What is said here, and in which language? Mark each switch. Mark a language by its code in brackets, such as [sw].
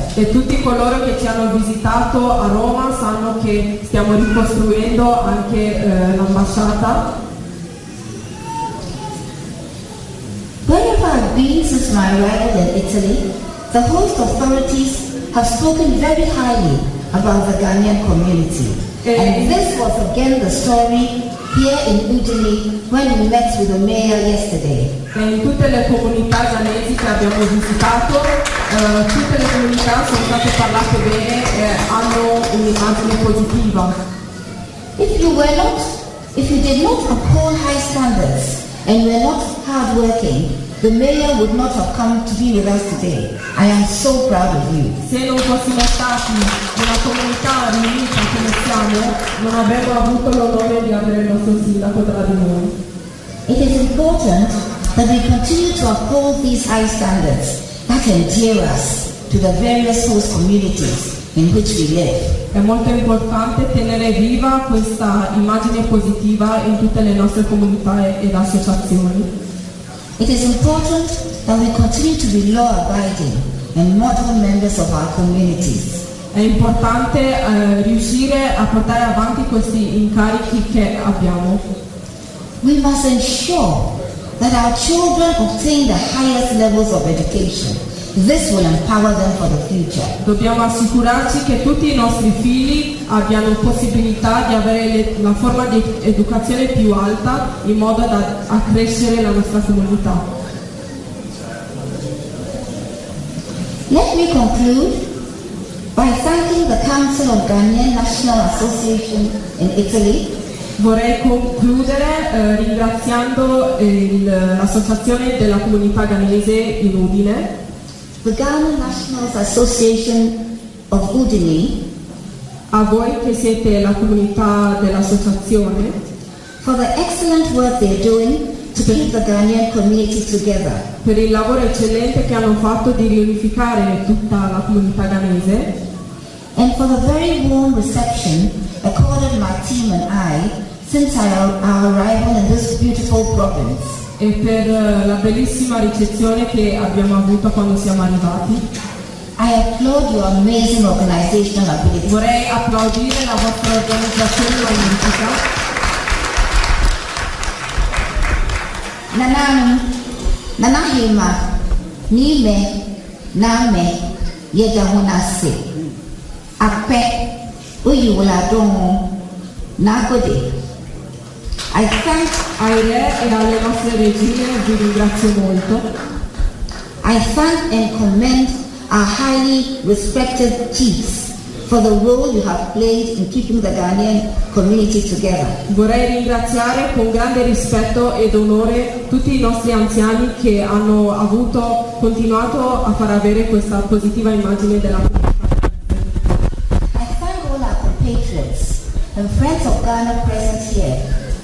[it] E tutti coloro che ci hanno visitato a Roma sanno che stiamo ricostruendo anche l'ambasciata. [en] Wherever I've been since my arrival in Italy, the host authorities have spoken very highly about the Ghanaian community. And this was again the story here in Udine when we met with the mayor yesterday. [it] In tutte le comunità ghanesi che abbiamo visitato, tutte le comunità sono state parlate bene e hanno un'immagine positiva. [en] If you did not uphold high standards and you were not hardworking, the mayor would not have come to be with us today. I am so proud of you. [it] Se non fossimo stati una comunità riunita come siamo, non avremmo avuto l'onore di avere il nostro sindaco tra di noi. [en] It is important that we continue to uphold these high standards that endear us to the various host communities in which we live. [it] È molto importante tenere viva questa immagine positiva in tutte le nostre comunità ed associazioni. [en] It is important that we continue to be law-abiding and model members of our communities. [it] È importante riuscire a portare avanti questi incarichi che abbiamo. [en] We must ensure that our children obtain the highest levels of education. This will empower them for the future. [it] Dobbiamo assicurarci che tutti i nostri figli abbiano possibilità di avere la forma di educazione più alta in modo da accrescere la nostra comunità. [en] Let me conclude by thanking the Council of Ghanaian National Association in Italy. [it] Vorrei concludere ringraziando l'Associazione della Comunità Ghanese in Udine. [en] The Ghana National Association of Udine. [it] A voi che siete la comunità dell'associazione. [en] For the excellent work they're doing to keep the Ghanaian community together. [it] Per il lavoro eccellente che hanno fatto di riunificare tutta la comunità ghanese. [en] And for the very warm reception accorded my team and I since our arrival in this beautiful province. [it] E per la bellissima ricezione che abbiamo avuto quando siamo arrivati. [en] I applaud your amazing organizational ability. [it] Vorrei applaudire la vostra organizzazione magnifica. Nanahima, Nime, Name, Yedahunase, Ape, Uyuladomo, Nagode. [en] I thank [it] Aire e alle nostre regine, vi ringrazio molto. [en] I thank and commend our highly respected chiefs for the role you have played in keeping the Ghanaian community together. [it] Vorrei ringraziare con grande rispetto ed onore tutti i nostri anziani che hanno avuto, continuato a far avere questa positiva immagine della comunità. [en] I thank all our compatriots and friends of Ghana present here.